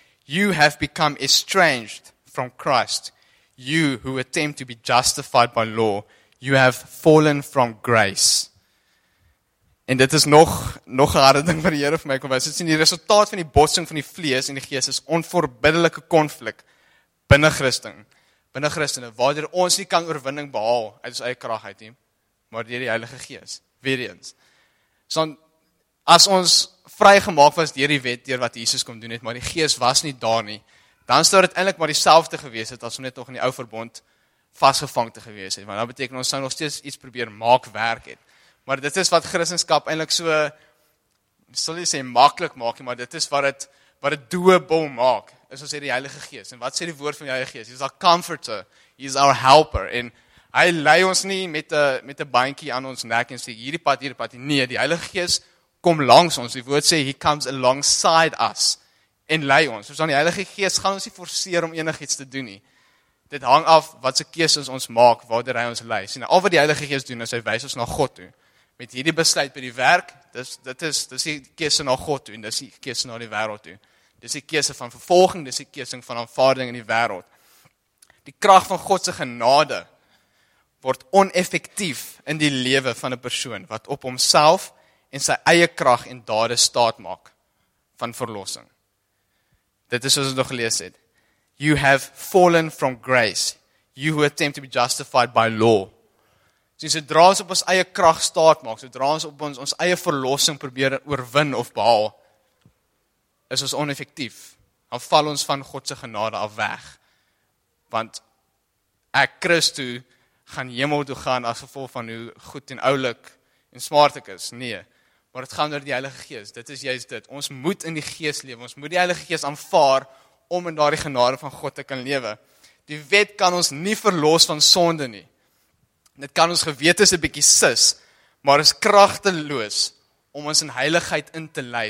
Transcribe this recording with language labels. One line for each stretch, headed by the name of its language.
English: You have become estranged from Christ, you who attempt to be justified by law, you have fallen from grace.
Afrikaans: En dit is nog harde ding vir die Here vir my kom wys. Dit sien die resultaat van die botsing van die vlees en die gees is onverbiddelike konflik binne Christen. Binne Christene, waardeur ons nie kan oorwinning behaal uit ons eie krag uit nie, maar deur die Heilige Gees. Weer eens. So, as ons vrygemaak was deur die wet, deur wat Jesus kom doen het, maar die gees was nie daar nie, dan sou dit eintlik maar dieselfde gewees het as ons net nog in die ou verbond vasgevang te gewees het, want dan beteken ons sou nog steeds iets probeer maak werk het. Maar dit is wat Christenskap eintlik so sal jy sê maklik maak, maar dit is wat dit doebel maak. Is ons het die Heilige Gees. En wat sê die woord van die Heilige Gees?
English: He is our comforter, he is our helper.
Afrikaans: En hy lei ons nie met 'n bandjie aan ons nek en sê hierdie pad nie. Die Heilige Gees kom langs ons. Die woord sê
English: he comes alongside us
Afrikaans: en lei ons. Soos aan die Heilige Gees gaan ons nie forceer om enigiets te doen nie. Dit hang af wat se keuses ons maak, waar hy ons lei. Sien, al wat die Heilige Gees doen, is hy wys ons na God toe. Met hierdie besluit by die werk, dis die keuse na God toe, en dis die keuse na die wêreld toe. Dis die keuse van vervolging, dis die keuse van aanvaarding in die wêreld. Die krag van God se genade word oneffektief in die lewe van 'n persoon wat op homself en sy eie krag en dade staat maak van verlossing. Dit is soos ons nog gelees het.
English: You have fallen from grace. You who attempt to be justified by law.
Afrikaans: Dis sodra ons op ons eie krag staat maak, sodra ons op ons eie verlossing probeer oorwin of behaal, is ons oneffektief. Dan val ons van God se genade af weg. Want ek Christus gaan hemel toe gaan as gevolg van hoe goed en oulik en smart ek is. Nee. Maar dit gaan oor die Heilige Gees. Dit is juist dit. Ons moet in die Gees lewe. Ons moet die Heilige Gees aanvaar om in daardie genade van God te kan lewe. Die wet kan ons nie verlos van sonde nie. Dit kan ons gewete 'n bietjie sis, maar is kragteloos om ons in heiligheid in te lei.